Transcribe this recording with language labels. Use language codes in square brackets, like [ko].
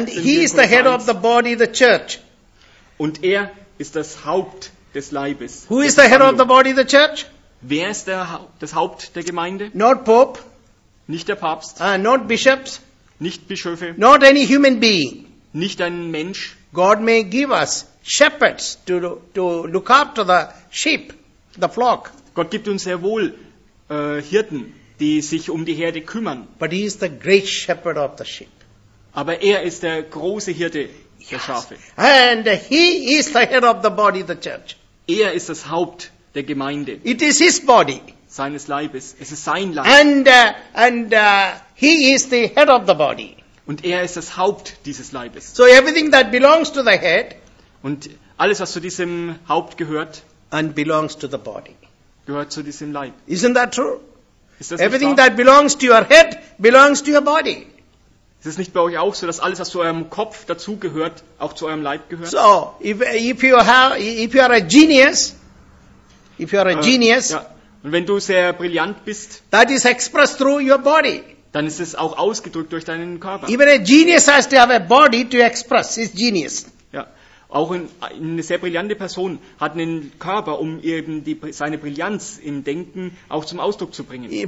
[en] And he is the head of the body, the church. [de] Und er ist das Haupt des Leibes. [en] Who is the head of the body, the church? [de] Wer ist das Haupt der Gemeinde? [en] Not Pope. [de] Nicht der Papst. [en] Not Bishops. [de] Nicht Bischöfe. [en] Not any human being. [de] Nicht ein Mensch. [en] God may give us shepherds to look after the sheep, the flock. [de] Gott gibt uns sehr wohl Hirten, die sich um die Herde kümmern. [en] But he is the great shepherd of the sheep. [de] Aber er ist der große Hirte der Schafe. [en] And he is the head of the body, the church. [de] Er ist das Haupt der Gemeinde. [en] It is his body. [de] Seines Leibes. Es ist sein Leib. [en] And he is the head of the body. [de] Und er ist das Haupt dieses Leibes. [en] So everything that belongs to the head. [de] Und alles, was zu diesem Haupt gehört. [en] And belongs to the body. [de] Gehört zu diesem Leib. [en] Isn't that true? [de] Ist das [en] Everything that belongs to your head belongs to your body. [de] Ist es nicht bei euch auch so, dass alles, was zu eurem Kopf dazugehört, auch zu eurem Leib gehört? [en] So, if you are a genius, [de] ja. Und wenn du sehr brillant bist, [en] that is expressed through your body. [de] Dann ist es auch ausgedrückt durch deinen Körper. [en] Even a genius has to have a body to express his genius. [de] Ja, auch eine sehr brillante Person hat einen Körper, um eben seine Brillanz im Denken auch zum Ausdruck zu bringen.